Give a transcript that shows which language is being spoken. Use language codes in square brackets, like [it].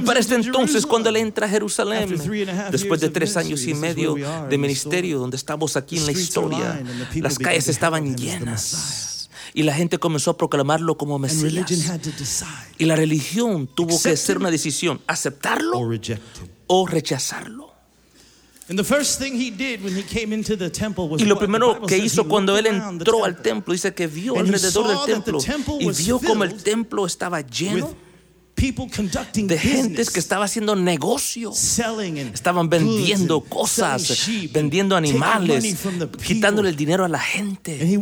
[es] y para este entonces, cuando él entra a Jerusalén, después de 3 años y medio de ministerio, donde estamos aquí en la historia, las calles estaban llenas. Y la gente comenzó a proclamarlo como Mesías. Y la religión tuvo que hacer una decisión: aceptarlo o rechazarlo. [en] And the first thing he did when he came into the temple was. [es] Y lo primero que hizo cuando él entró al templo, dice que vio alrededor del templo y vio como el templo estaba lleno de gentes que estaba haciendo negocio. Estaban vendiendo cosas, vendiendo animales, quitándole el dinero a la gente.